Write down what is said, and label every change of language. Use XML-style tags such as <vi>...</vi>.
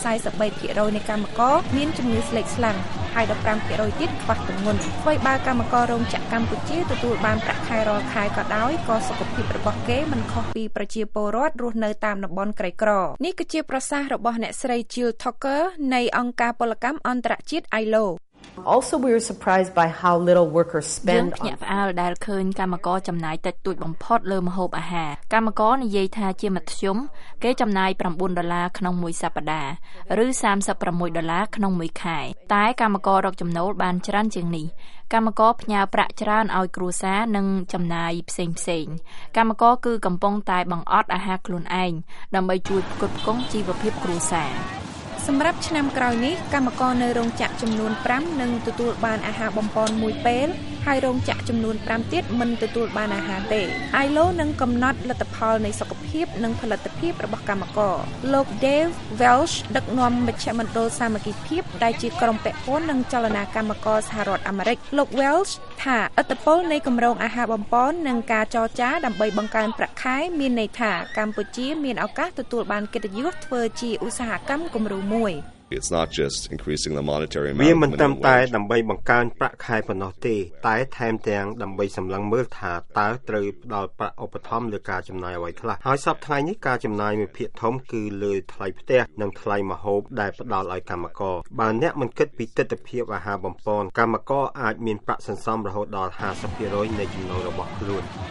<km>43% នៃកម្មករមានជំងឺស្លេកស្លាំងហើយ15%ទៀតខ្វះទម្ងន់ធ្វើឲ្យកម្មកររោងចក្រកម្ពុជាទទួលបានប្រាក់ខែរាល់ខែក៏ដោយក៏សុខភាពរបស់គេមិនខុសពីប្រជាពលរដ្ឋរស់នៅតាមតំបន់ក្រីក្រនេះគឺជាប្រសាសន៍របស់អ្នកស្រី Jill Tucker នៃអង្គការពលកម្មអន្តរជាតិ ILO</km> <en>Also we were surprised by how little workers spend on</en> <km>ផ្នែកដែលឃើញកម្មករចំណាយតិចតួចបំផុតលើម្ហូបអាហារកម្មករនិយាយថាជាមធ្យមគេចំណាយ9ដុល្លារក្នុងមួយសប្តាហ៍ឬ36ដុល្លារក្នុងមួយខែតែកម្មកររកចំណូលបានច្រើនជាងនេះកម្មករផ្ញើប្រាក់ច្រើនឲ្យគ្រួសារនិងចំណាយផ្សេងៗកម្មករគឺកំពុងតែបង្អត់អាហារខ្លួនឯងដើម្បីជួយផ្គត់ផ្គង់ជីវភាពគ្រួសារ សម្រាប់ឆ្នាំក្រោយនេះកម្មករនៅរោងចក្រចំនួន5នឹងទទួលបានអាហារបំពន់មួយពេលហើយរោងចក្រចំនួន5ទៀតមិនទទួលបានអាហារទេ ILO នឹងកំណត់លទ្ធផលនៃសុខភាពនិងផលិតភាពរបស់កម្មករលោក Dave Welsh ដឹកនាំមជ្ឈមណ្ឌលសាមគ្គីភាពដែលជាក្រុមពាក់ព័ន្ធនឹងចលនាកម្មករសហរដ្ឋអាមេរិកលោក Welsh ថាឥទ្ធិពលនៃគម្រោងអាហារបំពន់និងការចរចាដើម្បីបង្កើនប្រាក់ខែមានន័យថាកម្ពុជាមានឱកាសទទួលបានកិត្តិយសធ្វើជាឧស្សាហកម្មគំរូមួយ</km> <en>It's not just increasing the monetary amount.</en> <km>វាមិនត្រឹមតែដើម្បីបង្កើនប្រាក់ខែប៉ុណ្ណោះទេតែថែមទាំងដើម្បីសម្លឹងមើលថាតើត្រូវផ្ដល់ប្រាក់ឧបត្ថម្ភឬការចំណាយអ្វីខ្លះហើយសប្ដាហ៍នេះការចំណាយមួយភាគធំគឺលើថ្លៃផ្ទះនិងថ្លៃម្ហូបដែលផ្ដល់ឲ្យកម្មករបើអ្នកមិនគិតពីទិដ្ឋភាពអាហារបំពន់កម្មករអាចមានប្រាក់សន្សំរហូតដល់ 50% នៃចំណូលរបស់ខ្លួន</km>